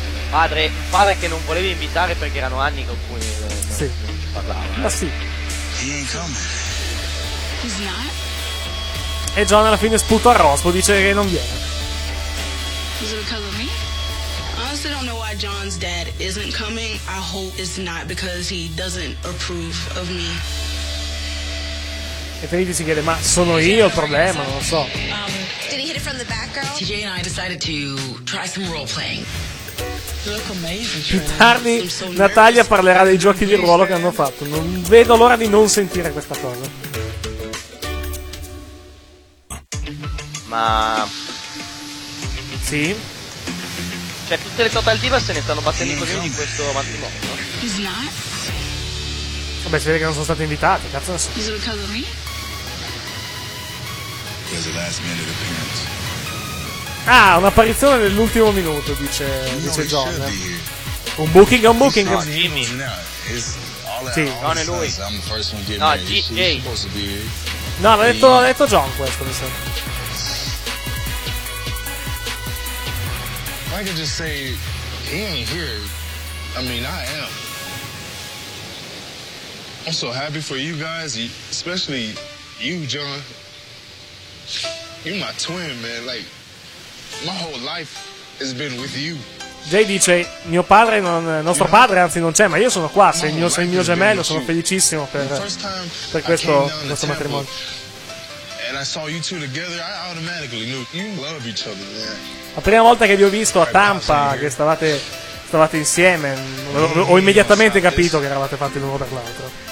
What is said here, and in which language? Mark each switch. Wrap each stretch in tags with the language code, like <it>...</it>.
<it>Padre che non volevi invitare perché erano anni con cui sì. Non ci parlava. Ma sì.</it> <en>He ain't coming. He's not?</en> <it>E John alla fine sputa a rospo, dice che non viene.</it> <en>Is it because of me? Honestly, I don't know why John's dad isn't coming. I hope it's not because he doesn't approve of me.</en> <it>E Trinity si chiede, ma sono io il problema? Non lo so.</it> <en>Did he hit it from the back, girl? TJ and I decided to try some role playing. Look amazing.</en> <it>Più tardi Natalia parlerà dei giochi di ruolo che hanno fatto. Non vedo l'ora di non sentire questa cosa. Ma sì, cioè tutte le Total Divas se ne stanno battendo così di questo matrimonio.</it> <en>He's not.</en> <it>Vabbè, si vede che non sono state invitate, cazzo.</it> <en>Is it because of me? It was a last minute appearance.</en> <it>Ah, un'apparizione nell'ultimo minuto, dice John. Un booking è un booking. No, Jimmy. Sì, non è lui. No, G.J. No, l'ha detto John questo, mi sa.</it> <en>I could just say he ain't here. I mean, I am. I'm so happy for you guys, especially you, John. You're my twin, man. Like my whole life has been with you.</en> <it>Jay dice: mio padre non, nostro padre, anzi non c'è, ma io sono qua. Sei il mio gemello. Sono felicissimo per questo matrimonio.</it> <en>And I saw you two together. I automatically knew you love each other, man.</en> <it>La prima volta che vi ho visto a Tampa, che stavate insieme, ho immediatamente capito che eravate fatti l'uno per l'altro.</it>